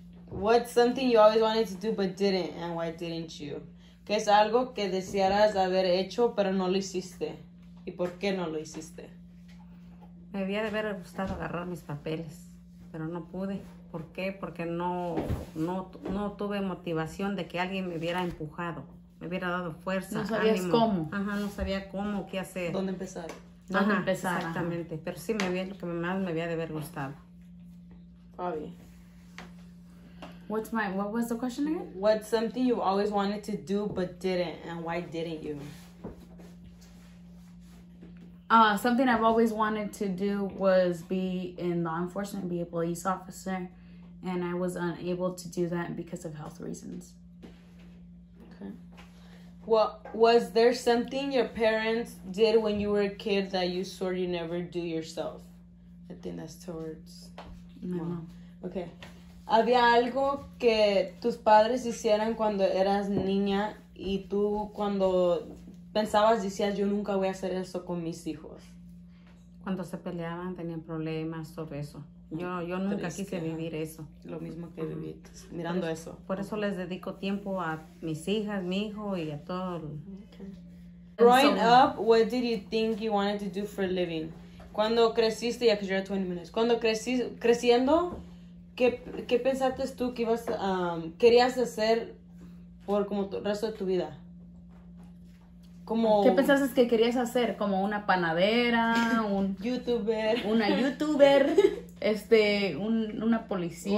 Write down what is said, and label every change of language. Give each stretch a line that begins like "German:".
English: What's something you always wanted to do but didn't, and why didn't you?
Spanish: ¿Qué es algo que desearas haber hecho pero no lo hiciste? ¿Y por qué no lo hiciste? Me había de haber gustado agarrar mis papeles, pero no pude. ¿Por qué? Porque no tuve motivación de que alguien me hubiera empujado, me hubiera dado fuerza, ánimo. No sabías ánimo. Cómo. Ajá, no sabía cómo, qué hacer. ¿Dónde empezar? ¿Dónde ajá, empezar? Exactamente. Ajá. Pero sí, me había, lo que más me había de haber gustado.
English: Bobby. What was the question again? What's something you always wanted to do but didn't, and why didn't you? Something I've always wanted to do was be in law enforcement, be a police officer, and I was unable to do that because of health reasons. Okay. Well, was there something your parents did when you were a kid that you swore you never do yourself? I think that's towards... No. Okay.
Spanish: ¿Había algo que tus padres hicieran cuando eras niña y tú cuando... pensabas, decías, yo nunca voy a hacer eso con mis hijos? Cuando se peleaban, tenían problemas, todo eso. Yo nunca quise vivir eso. Lo mismo que viví, mirando eso. Por eso les dedico tiempo a mis hijas, mi hijo y a todo.
English: Okay. Growing up, what did you think you wanted to do for a living?
Spanish: Cuando creciste, ya que yo era 20 minutos. Cuando creciendo, ¿qué pensaste tú que ibas querías hacer por como el resto de tu vida? Como, ¿qué pensaste que querías hacer? ¿Como una panadera? ¿Un youtuber? ¿Una youtuber? ¿Una policía?